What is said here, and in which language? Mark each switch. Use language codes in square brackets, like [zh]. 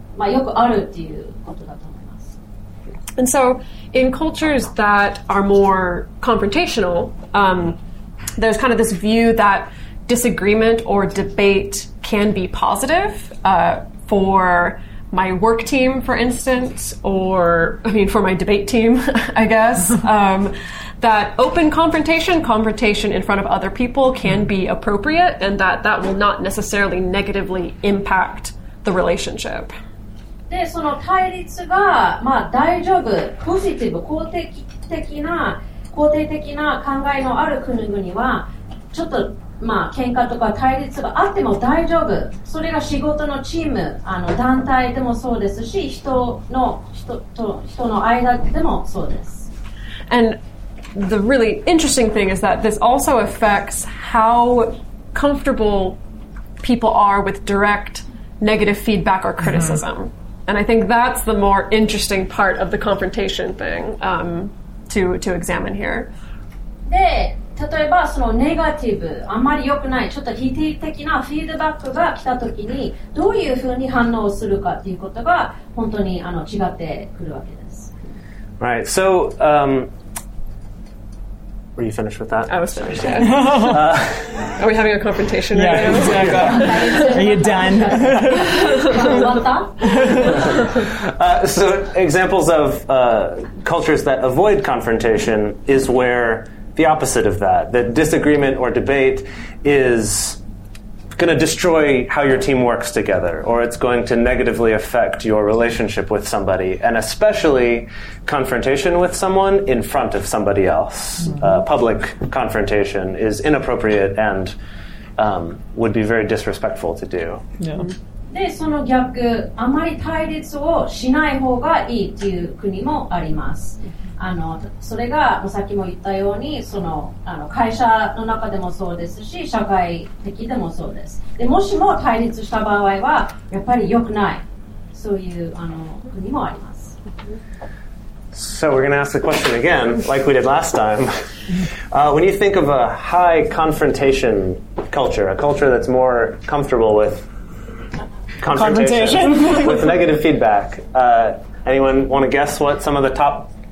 [ja] まあ、大体あんまり好きじゃないっていうことが普通だと思うんですけど、でもやっぱり文化によっては、対立が好きっていうよりは、よくあるっていうことだと思います。 [en] And so in cultures that are more confrontational, there's kind of this view that disagreement or debate can be positive for my work team, for instance, or, I mean, for my debate team, I guess, that open confrontation in front of other people can be appropriate and that that will not necessarily negatively impact the relationship. [ja] で、その対立が、まあ、大丈夫、ポジティブ、肯定的な考えのある国々は、ちょっと、まあ、喧嘩とか対立があっても大丈夫。それが仕事のチーム、団体でもそうですし、人の間でもそうです。 [en] And the really interesting thing is that this also affects how comfortable people are with direct negative feedback or criticism. Mm-hmm. And I think that's the more interesting part of the confrontation thing, to examine here. [ja] で、例えばそのネガティブあまり良くないちょっと否定的なフィードバックが来た時にどういうふうに反応するかっていうことが本当に違ってくるわけです。 [en] Right. So, were you finished with that? I was finished. Yeah. Are we having a confrontation right now? Yeah. Are you done? So, examples of cultures that avoid confrontation is where the opposite of that, that disagreement or debate is going to destroy how your team works together, or it's going to negatively affect your relationship with somebody, and especially confrontation with someone in front of somebody else. Mm-hmm. Public confrontation is inappropriate and would be very disrespectful to do. Yeah. [ja] で、その逆、あまり対立をしない方がいいっていう国もあります。それがさっきも言ったようにその会社の中でもそうですし社会的でもそうです。でもしも対立した場合はやっぱり良くないそういう国もあります。 [en] So we're going to ask the question again, like we did last time. When you think of a high confrontation culture, a culture that's more comfortable with confrontation with negative feedback, anyone want to guess what some of the top